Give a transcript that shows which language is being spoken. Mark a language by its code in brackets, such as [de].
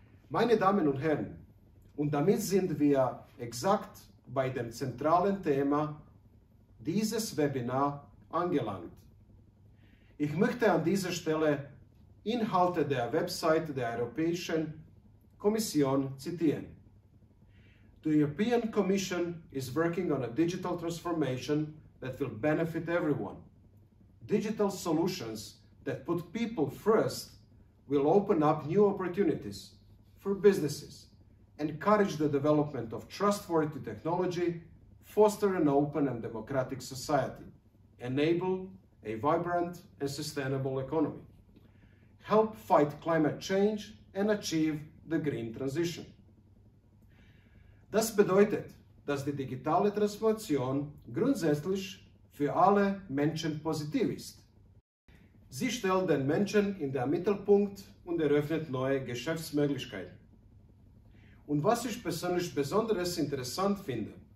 [de] Meine Damen und Herren, und damit sind wir exakt bei dem zentralen Thema dieses Webinars angelangt. Ich möchte an dieser Stelle Inhalte der Website der Europäischen Kommission zitieren. [en] The European Commission is working on a digital transformation that will benefit everyone. Digital solutions that put people first will open up new opportunities for businesses, encourage the development of trustworthy technology, foster an open and democratic society, enable a vibrant and sustainable economy, help fight climate change and achieve the green transition. [de] Das bedeutet, dass die digitale Transformation grundsätzlich für alle Menschen positiv ist. Sie stellt den Menschen in den Mittelpunkt und eröffnet neue Geschäftsmöglichkeiten. Und was ich persönlich besonders interessant finde,